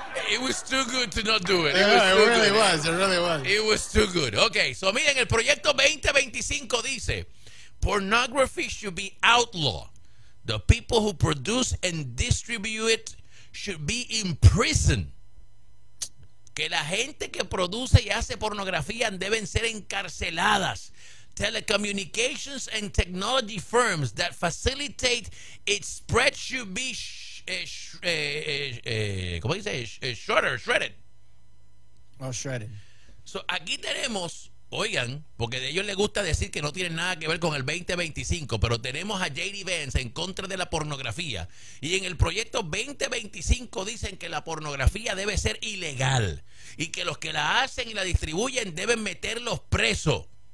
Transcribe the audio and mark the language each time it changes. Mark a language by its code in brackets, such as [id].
[en] It was too good to not do it. It really was too good. Okay, so [es] miren, el proyecto 2025 dice, [en] pornography should be outlawed. The people who produce and distribute it should be in prison. [es] Que la gente que produce y hace pornografía deben ser encarceladas. [en] Telecommunications and technology firms that facilitate its spread should be shredded. [es] So aquí tenemos, oigan, porque de ellos les gusta decir que no tienen nada que ver con el 2025, pero tenemos a J.D. Vance en contra de la pornografía, y en el proyecto 2025 dicen que la pornografía debe ser ilegal y que los que la hacen y la distribuyen deben meterlos presos.